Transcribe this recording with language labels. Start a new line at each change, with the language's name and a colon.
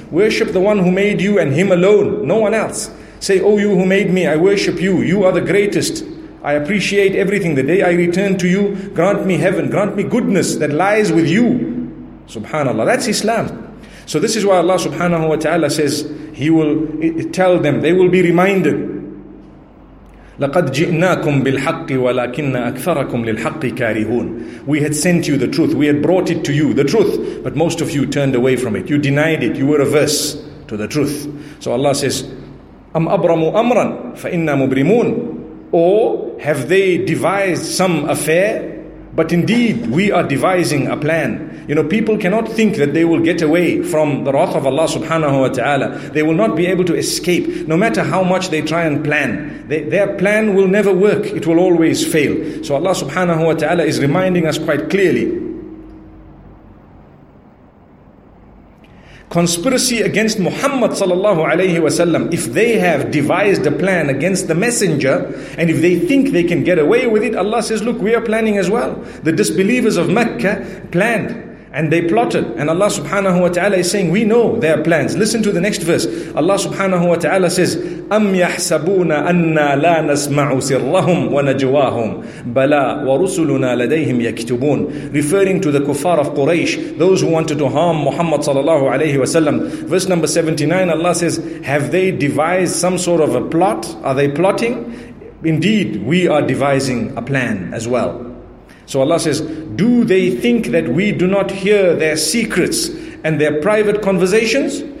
English: Worship the one who made you and him alone, no one else. Say, oh, you who made me, I worship you. You are the greatest. I appreciate everything. The day I return to you, grant me heaven, grant me goodness that lies with you. Subhanallah. That's Islam. So this is why Allah subhanahu wa ta'ala says, he will tell them, they will be reminded.
Arabic: لقد جئناكم بالحق ولكن أكثركم للحق كارهون.
English: We had sent you the truth, we had brought it to you, the truth, but most of you turned away from it, you denied it, you were averse to the truth. So Allah says,
Arabic: أم أبرموا أمرا فإنا مبرمون.
English: Or have they devised some affair? But indeed, we are devising a plan. You know, people cannot think that they will get away from the wrath of Allah subhanahu wa ta'ala. They will not be able to escape, no matter how much they try and plan. Their plan will never work. It will always fail. So Allah subhanahu wa ta'ala is reminding us quite clearly. Conspiracy against Muhammad sallallahu alayhi wa sallam, if they have devised a plan against the messenger, and if they think they can get away with it, Allah says, look, we are planning as well. The disbelievers of Mecca planned and they plotted, and Allah subhanahu wa ta'ala is saying, we know their plans. Listen to the next verse. Allah subhanahu wa ta'ala says,
Arabic: أَمْ يَحْسَبُونَ أَنَّا لَا نَسْمَعُ سِرَّهُمْ وَنَجْوَاهُمْ بَلَا وَرُسُلُنَا لَدَيْهِمْ يَكْتُبُونَ.
English: Referring to the kuffar of Quraysh, those who wanted to harm Muhammad sallallahu alayhi wa sallam. Verse number 79, Allah says, have they devised some sort of a plot? Are they plotting? Indeed, we are devising a plan as well. So Allah says, do they think that we do not hear their secrets and their private conversations?